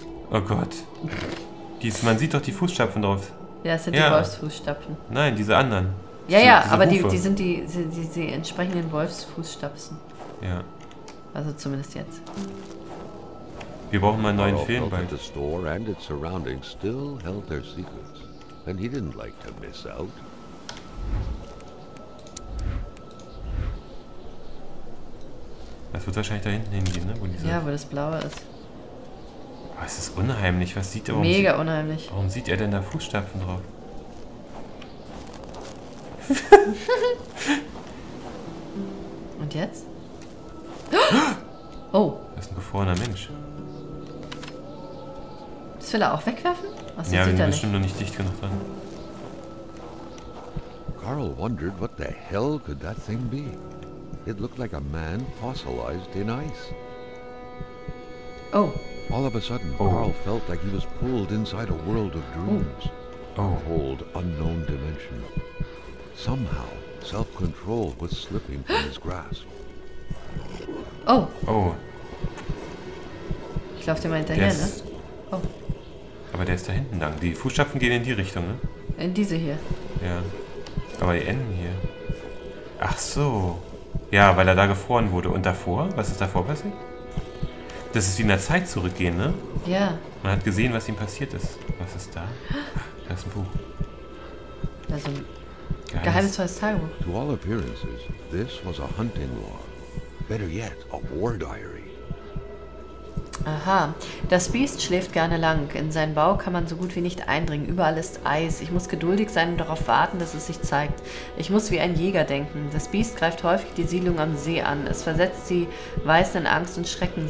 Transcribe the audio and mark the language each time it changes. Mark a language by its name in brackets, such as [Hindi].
[German] Oh Gott. Man sieht doch die Fußstapfen drauf. Ja, es sind ja. Die Wolfsfußstapfen. Nein, diese anderen. Ja, aber die sind die entsprechenden Wolfsfußstapfen. Ja. Also zumindest jetzt. Wir brauchen mal einen neuen Film bei. [English] The store and its surroundings still held their secrets. And he didn't like to miss out. [German] Das wird wahrscheinlich da hinten hingehen, ne? Wo das Blaue ist. Oh, es ist unheimlich. Was sieht er? Mega unheimlich. Warum sieht er denn da Fußstapfen drauf? Und jetzt? Oh! Das ist ein gefrorener Mensch. Das will er auch wegwerfen? Was, ja, wir sind bestimmt noch nicht dicht genug dran. [English] Carl wondered what the hell could that thing be. It looked like a man fossilized in ice. Oh. All of a sudden, Carl felt like he was pulled inside a world of dreams. Oh. A cold, unknown dimension. Somehow, self-control was slipping from his grasp. Oh. Oh. [German] Ich lauf dir mal hinterher, ne? Oh. Aber der ist da hinten lang. Die Fußstapfen gehen in die Richtung, ne? In diese hier. Ja. Aber die enden hier. Ach so. Ja, weil er da gefroren wurde. Und davor? Was ist davor passiert? Das ist wie in der Zeit zurückgehen, ne? Ja. Man hat gesehen, was ihm passiert ist. Was ist da? Da ist ein Buch. Da ist ein geheimnisvolles Tagebuch. [English] To all appearances, this was a hunting log. Better yet, a war diary. Aha. [German] Das Biest schläft gerne lang. In seinen Bau kann man so gut wie nicht eindringen. Überall ist Eis. Ich muss geduldig sein und darauf warten, dass es sich zeigt. Ich muss wie ein Jäger denken. Das Biest greift häufig die Siedlung am See an. Es versetzt die Weißen in Angst und Schrecken.